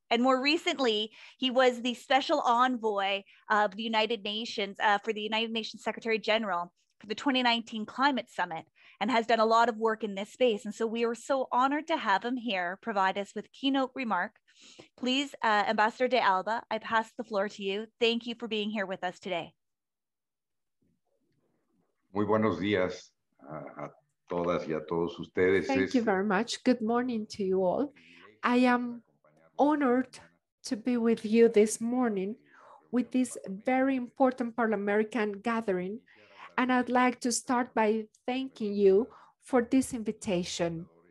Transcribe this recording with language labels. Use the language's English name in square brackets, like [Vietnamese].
[English] And more recently, he was the special envoy of the United Nations for the United Nations Secretary General for the 2019 Climate Summit and has done a lot of work in this space. And so we are so honored to have him here provide us with keynote remark. Please, Ambassador de Alba, I pass the floor to you. Thank you for being here with us today. [Spanish] Muy buenos días a todas y a todos ustedes. [English] Thank you very much. Good morning to you all. I am honored to be with you this morning with this very important Parlamerican gathering. And I'd like to start by thanking you for this invitation.